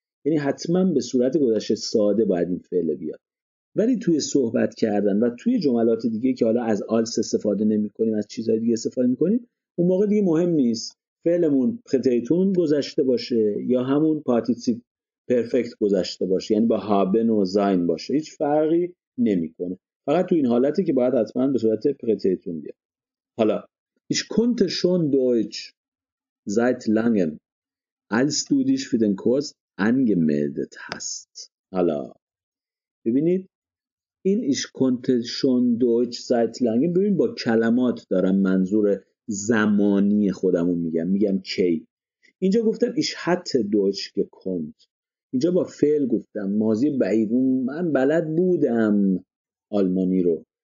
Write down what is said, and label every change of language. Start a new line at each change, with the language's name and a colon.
Persian: یعنی حتما به صورت گذشته ساده باید این فعل بیاد. ولی توی صحبت کردن و توی جملات دیگه که حالا از آلس استفاده نمی کنیم، از چیزهای دیگه استفاده می کنیم، اون موقع دیگه مهم نیست فعلمون پرتیتون گذشته باشه یا همون پارتیسیپ پرفکت گذشته باشه، یعنی با هابن و زاین باشه، هیچ فرقی نمی کنه. فقط توی این حالته که باید حتما به صورت پرتیتون بیاد. حالا
German: ich konnte schon deutsch seit langem als du dich für den kurs angemeldet hast.
Persian: حالا ببینید این
German: ich konnte schon deutsch seit langem،
Persian: ببین با کلمات دارم منظور زمانی خودمو میگم، میگم کی. اینجا گفتم
German: ich hatte deutsch gekonnt،
Persian: اینجا با فعل گفتم ماضی بعید، من بلد بودم آلمانی رو.